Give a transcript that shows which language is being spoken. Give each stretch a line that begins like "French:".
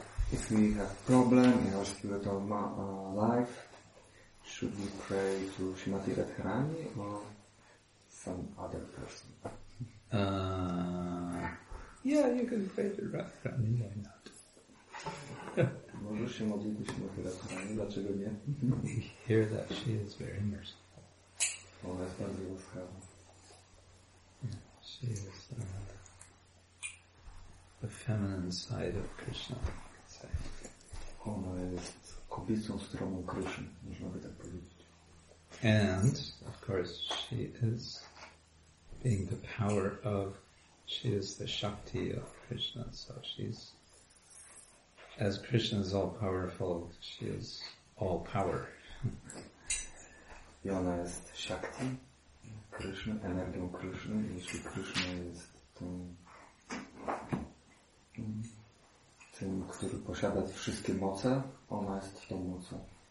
English: If we have problem in our spiritual life, should we pray to Srimati Radharani or some other person? Yeah, you can pray to Radharani, why not?
Polish: Możesz się modlić do Srimati Radharani, dlaczego nie?
English: Hear that she is very merciful.
Polish: Ona jest bardzo łaskawa.
English: She is the feminine side of Krishna, I could say.
Polish: Ona jest kobiecą stroną Krishna, można by tak powiedzieć.
English: And, of course, she is being the power of, she is the Shakti of Krishna, so she's, as Krishna is all powerful, she is all power.
Polish: I ona jest Shakti. Krishna, energią Krishna, jeśli Krishna jest tym, który posiada wszystkie moce, ona jest tą mocą.